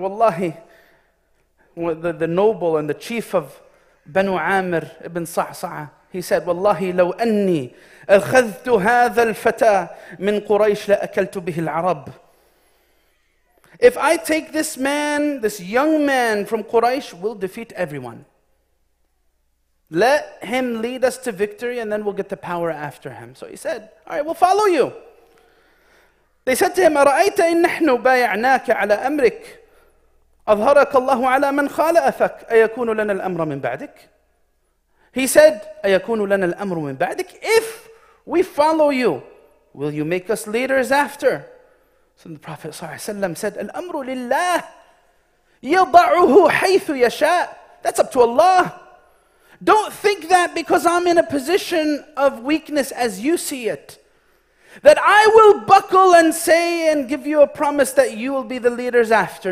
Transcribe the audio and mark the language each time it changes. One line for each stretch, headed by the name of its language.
English: Wallahi, the noble and the chief of Banu Amir ibn Sa'sa'a, he said, Wallahi,
Arabic: لو أني أخذت هذا الفتى من قريش لأكلت به العرب.
English: If I take this man, this young man from Quraysh, we'll defeat everyone. Let him lead us to victory and then we'll get the power after him. So he said, all right, we'll follow you. They said to him,
Arabic: أرأيت إن نحن بايعناك على أمرك أظهرك الله على من خالفك أيكون لنا الأمر من بعدك.
English: He said,
Arabic: أَيَكُونُ لَنَا الْأَمْرُ مِنْ بَعْدِكِ.
English: If we follow you, will you make us leaders after? So the Prophet ﷺ said,
Arabic: الْأَمْرُ لِلَّهِ يَضَعُهُ حَيْثُ يَشَاءُ.
English: That's up to Allah. Don't think that because I'm in a position of weakness as you see it, that I will buckle and say and give you a promise that you will be the leaders after.